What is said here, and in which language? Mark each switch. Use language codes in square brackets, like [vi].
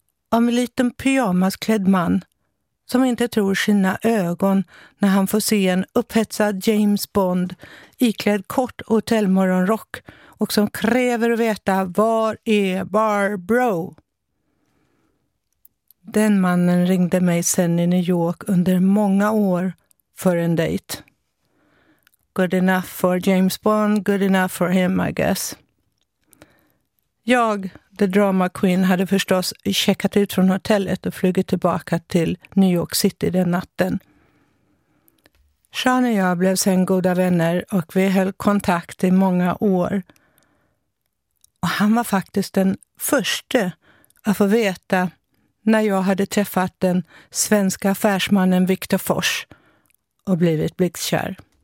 [sv] Av en liten pyjamasklädd man som inte tror sina ögon när han får se en upphetsad James Bond iklädd kort hotellmorgonrock och som kräver att veta var är Barbro? Den mannen ringde mig sen i New York under många år för en dejt. [en] Good enough for James Bond, good enough for him I guess. [sv] Jag, [en] the drama queen, [sv] hade förstås checkat ut från hotellet och flugit tillbaka till New York City den natten. Sean och jag blev sen goda vänner och vi höll kontakt i många år. Och han var faktiskt den första att få veta när jag hade träffat den svenska affärsmannen Victor Fors och blivit blixtkär.